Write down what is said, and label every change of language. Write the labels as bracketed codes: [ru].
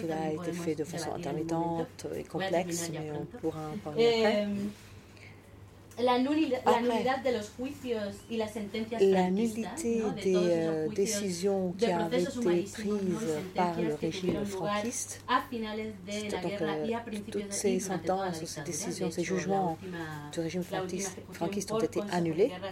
[fr] Cela a été fait de façon intermittente et complexe, mais on pourra en parler [es] La nulidad de los juicios y las sentencias franquistas, [fr] la nullité des décisions qui avaient été prises par le régime franquiste, [es] à finales de la guerra y a principios de la dictadura, [fr] ces décisions, ces jugements du régime franquiste ont été annulés.